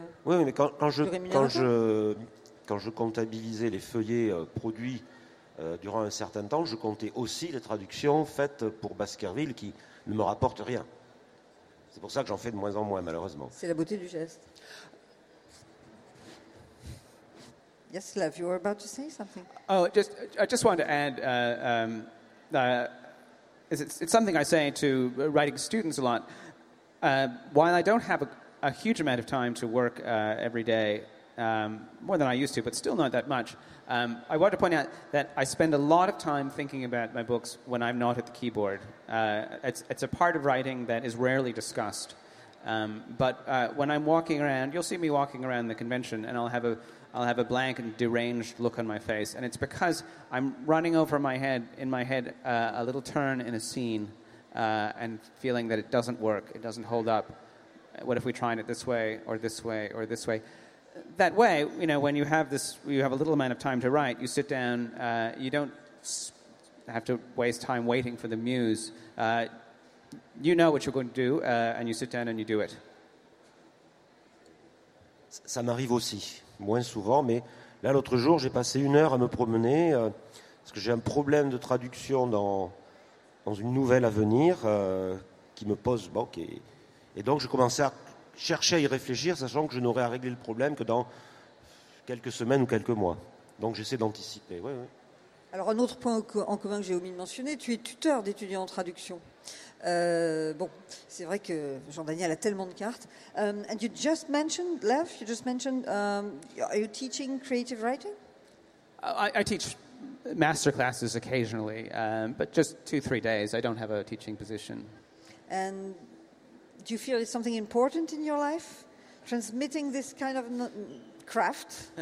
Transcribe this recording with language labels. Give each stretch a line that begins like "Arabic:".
French: Oui, mais quand je comptabilisais les feuillets produits durant un certain temps, je comptais aussi les traductions faites pour Baskerville qui ne me rapportent rien. C'est pour ça que j'en fais de moins en moins, malheureusement. C'est la beauté du geste.
English: Yes, Lev, you were about to say something. Oh, I just wanted to add, it's something I say to writing students a lot. While I don't have a huge amount of time to work every day, more than I used to, but still not that much, I want to point out that I spend a lot of time thinking about my books when I'm not at the keyboard. It's a part of writing that is rarely discussed. But when I'm walking around, you'll see me walking around the convention, and I'll have a blank and deranged look on my face, and it's because I'm running over in my head, a little turn in a scene, and feeling that it doesn't work, it doesn't hold up. What if we tried it this way or this way or this way? That way, you know, when you have this, you have a little amount of time to write. You sit down. You don't have to waste time waiting for the muse. You know what you're going to do, and you sit down and you do it.
French: Ça m'arrive aussi. Moins souvent, mais là, l'autre jour, j'ai passé une heure à me promener parce que j'ai un problème de traduction dans une nouvelle à venir qui me pose... Bon, okay. Et donc, je commençais à chercher à y réfléchir, sachant que je n'aurais à régler le problème que dans quelques semaines ou quelques mois. Donc, j'essaie d'anticiper. Ouais, ouais. Alors, un autre point en commun que j'ai omis de mentionner, tu es tuteur d'étudiants en traduction. Bon, c'est vrai que Jean-Daniel a tellement de cartes.
English: And you just mentioned, Lev, you just mentioned, are you teaching creative writing? I teach master classes occasionally, but just 2-3 days. I don't have a teaching position. And do you feel it's something important in your life, transmitting this kind of craft?